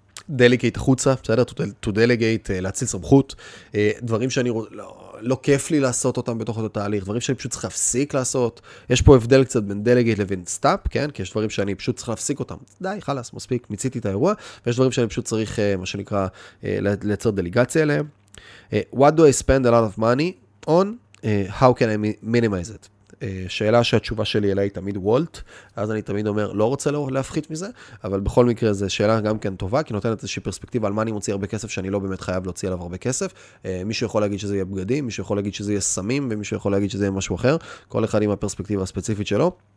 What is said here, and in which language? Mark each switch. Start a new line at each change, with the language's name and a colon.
Hebrew: דליגייט החוצה, בסדר?
English: To delegate,
Hebrew: להציל סמכות. דברים שאני רוצה, לא כיף לי לעשות אותם בתוך אותו תהליך, דברים שאני פשוט צריך להפסיק לעשות. יש פה הבדל קצת בין delegate לבין stop, כן? כי יש דברים שאני פשוט צריך להפסיק אותם. די, חלס, מספיק, מציתי את האירוע, ויש דברים שאני פשוט צריך, מה שנקרא, לייצר דליגציה אליהם.
English: What do I spend a lot of money on? How can I minimize it?
Hebrew: שאלה שהתשובה שלי אליי תמיד וולט, אז אני תמיד אומר, לא רוצה להפחית מזה, אבל בכל מקרה זה שאלה גם כן טובה, כי נותנת איזושהי פרספקטיבה על מה אני מוציא הרבה כסף, שאני לא באמת חייב להוציא עליו הרבה כסף. מישהו יכול להגיד שזה יהיה בגדים, מישהו יכול להגיד שזה יהיה סמים, ומישהו יכול להגיד שזה יהיה משהו אחר, כל אחד עם הפרספקטיבה הספציפית שלו.